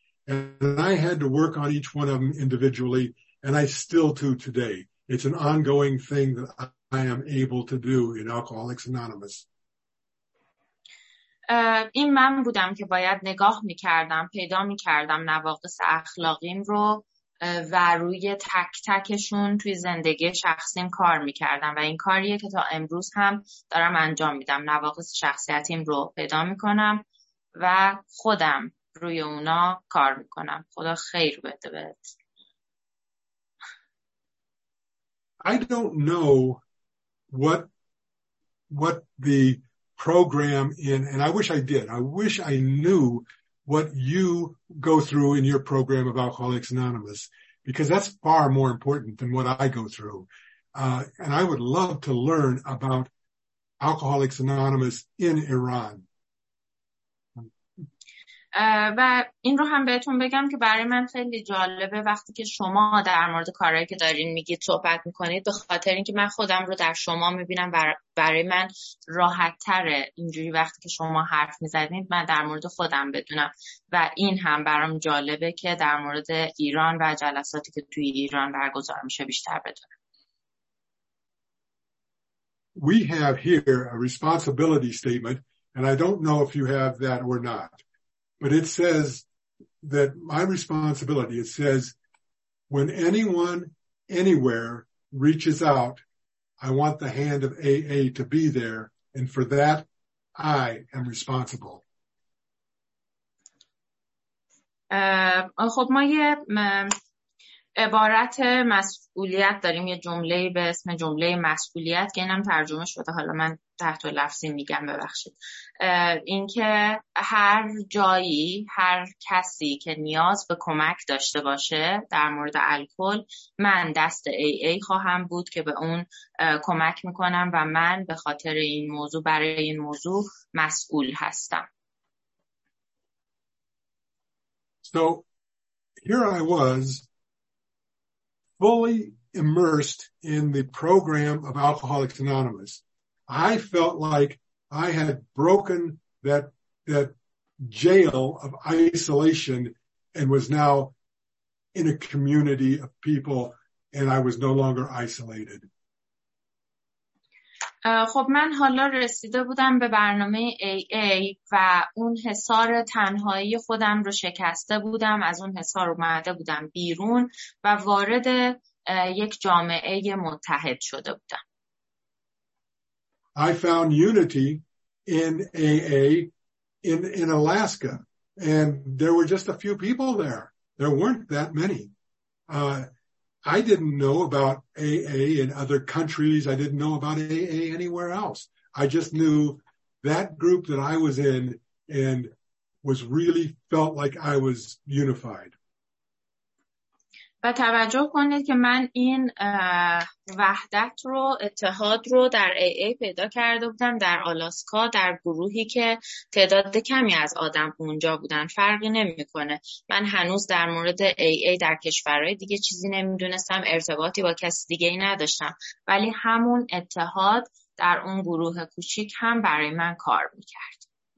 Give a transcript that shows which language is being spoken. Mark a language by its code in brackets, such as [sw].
[en] And I had to work on each one of them individually, and I still do today. It's an ongoing thing that I am able to do in Alcoholics Anonymous. [fa] این من بودم که باید نگاه میکردم، پیدا میکردم نواقص اخلاقیم رو و روی تک تکشون توی زندگی شخصیم کار میکردم و این کاریه که تا امروز هم دارم انجام میدم. نواقص شخصیتیم رو پیدا میکنم و خودم روی اونا کار میکنم. خدا خیر بده بهت. [en] I don't know what the program in, and I wish I did. I wish I knew what you go through in your program of Alcoholics Anonymous, because that's far more important than what I go through. And I would love to learn about Alcoholics Anonymous in Iran. [fa] و این رو هم بهتون بگم که برای من خیلی جالبه وقتی که شما در مورد کارهایی که دارین میگید صحبت میکنید، به خاطر اینکه من خودم رو در شما میبینم و برای من راحت تره اینجوری وقتی که شما حرف میزنید من در مورد خودم بدونم. و این هم برام جالبه که در مورد ایران و جلساتی که توی ایران برگزار میشه بیشتر بدونم. [en] We have here a responsibility statement, and I don't know if you have that or not. But it says that my responsibility, it says, when anyone, anywhere reaches out, I want the hand of AA to be there. And for that, I am responsible. [fa] خب ما یه عبارت مسئولیت داریم، یه جمله به اسم جمله مسئولیت که اینم ترجمه شده، حالا من تحت لفظی میگم ببخشید، اینکه هر جایی هر کسی که نیاز به کمک داشته باشه در مورد الکل، من دست AA خواهم بود که به اون کمک میکنم و من به خاطر این موضوع برای این موضوع مسئول هستم. [en] So here I was fully immersed in the program of Alcoholics Anonymous. I felt like I had broken that jail of isolation and was now in a community of people, and I was no longer isolated. [fa] خب من حالا رسیده بودم به برنامه AA و اون حصار تنهایی خودم رو شکسته بودم، از اون حصار اومده بودم بیرون و وارد یک جامعه متحد شده بودم. [en] I found unity in AA in Alaska, and there were just a few people there. There weren't that many. I didn't know about AA in other countries. I didn't know about AA anywhere else. I just knew that group that I was in and was really felt like I was unified. [fa] و توجه کنید که من این وحدت رو، اتحاد رو در AA پیدا کرده بودم، در آلاسکا، در گروهی که تعداد کمی از آدم اونجا بودن، فرقی نمی کنه. من هنوز در مورد AA در کشورهای دیگه چیزی نمی دونستم، ارتباطی با کسی دیگه ای نداشتم، ولی همون اتحاد در اون گروه کوچیک هم برای من کار می کرد.